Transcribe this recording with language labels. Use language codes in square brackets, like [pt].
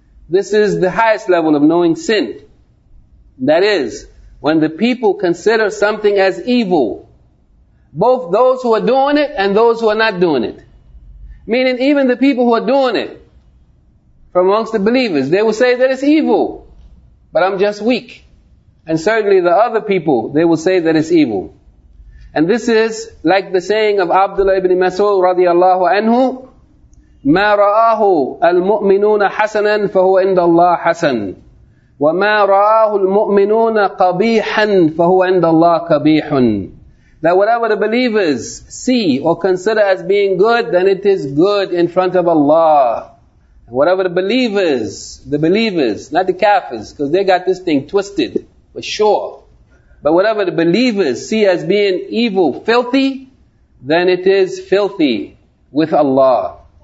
[en] This is the highest level of knowing sin. That is, when the people consider something as evil. Both those who are doing it and those who are not doing it. Meaning even the people who are doing it, from amongst the believers, they will say that it's evil, but I'm just weak. And certainly the other people, they will say that it's evil. And this is like the saying of Abdullah ibn Mas'ud radiallahu anhu, [ar] مَا رَآهُ الْمُؤْمِنُونَ حَسَنًا فَهُوَ إِنْدَ اللَّهِ حَسَنًا وَمَا رَآهُ الْمُؤْمِنُونَ قَبِيحًا فَهُوَ إِنْدَ اللَّهِ قَبِيحٌ. [en] That whatever the believers see or consider as being good, then it is good in front of Allah. Whatever the believers, not the kafirs, because they got this thing twisted, for sure. But whatever the believers see as being evil, filthy, then it is filthy with Allah.